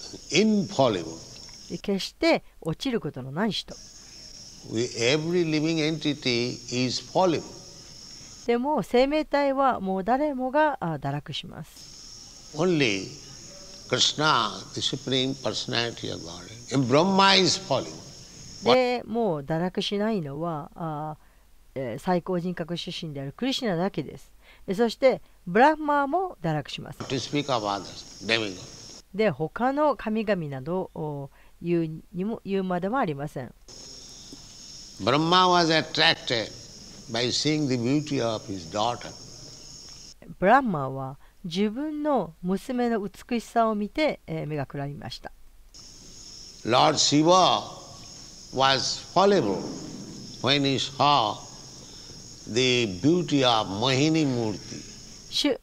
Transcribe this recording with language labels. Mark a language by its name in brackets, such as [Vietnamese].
[English] Infallible. [Japanese] 決して落ちることのない人。 [English] Every living entity is fallible. [Japanese] でも生命体はもう誰もが堕落します。 [English] Only Krishna, the supreme personality of God, and Brahma is fallible. [Japanese] でもう堕落しないのは。最高人格出身であるクリシナだけです。そしてブラッマーも堕落します。 [English] to speak of others, [Japanese] で他の神々などを言うまでもありません。 [English] ブラッマー was attracted by seeing the beauty of his daughter. [Japanese] ブラッマーは自分の娘の美しさを見て、目がくらみました。 [English] Lord Shiva was fallible when he sawThe beauty of Mohini Murti.